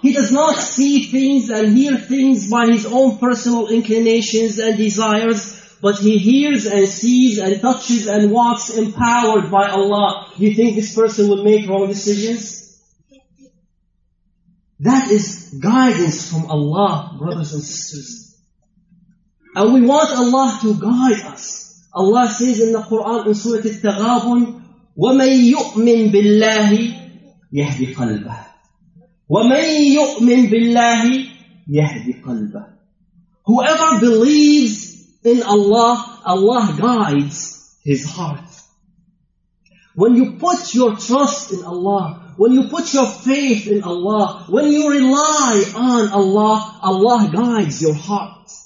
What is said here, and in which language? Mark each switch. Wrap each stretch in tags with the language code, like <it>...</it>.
<en>He does not see things and hear things by his own personal inclinations and desires, but he hears and sees and touches and walks empowered by Allah. Do you think this person will make wrong decisions? That is guidance from Allah, brothers and sisters. And we want Allah to guide us. Allah says in the Quran in Surah At-Taghabun,</en> <ar>وَمَنْ يُؤْمِنْ بِاللَّهِ يَهْدِ قَلْبَهِ وَمَنْ يُؤْمِنْ بِاللَّهِ يَهْدِ قَلْبَهِ.</ar> <en>Whoever believes in Allah, Allah guides his heart. When you put your trust in Allah, when you put your faith in Allah, when you rely on Allah, Allah guides your heart.</en>